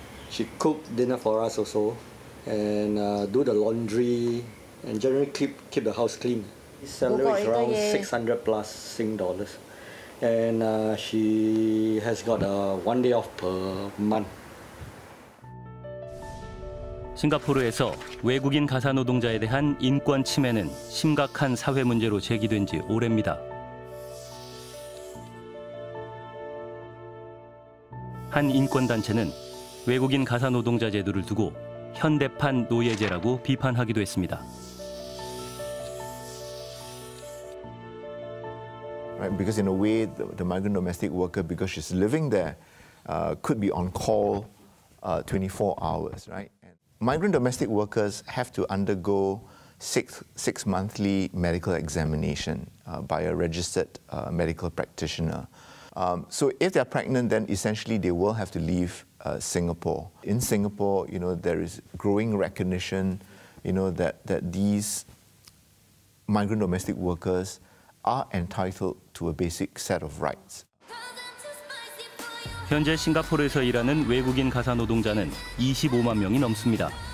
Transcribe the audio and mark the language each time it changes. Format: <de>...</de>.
<en>She cooked dinner for us also and do the laundry and generally keep the house clean. His salary is around 600 plus Sing dollars. And she has got a one day off per month.</en> <ko>싱가포르에서 외국인 가사 노동자에 대한 인권 침해는 심각한 사회 문제로 제기된 지 오래입니다. 한 인권 단체는 외국인 가사 노동자 제도를 두고 현대판 노예제라고 비판하기도 했습니다.</ko> <en>Right, because in a way, the migrant domestic worker, because she's living there, could be on call 24 hours, right? And migrant domestic workers have to undergo six monthly medical examination by a registered medical practitioner. So if they're pregnant, then essentially they will have to leave Singapore. In Singapore, you know, there is growing recognition, you know, that these migrant domestic workers are entitled to a basic set of rights.</en> <ko>현재 싱가포르에서 일하는 외국인 가사 노동자는 25만 명이 넘습니다.</ko>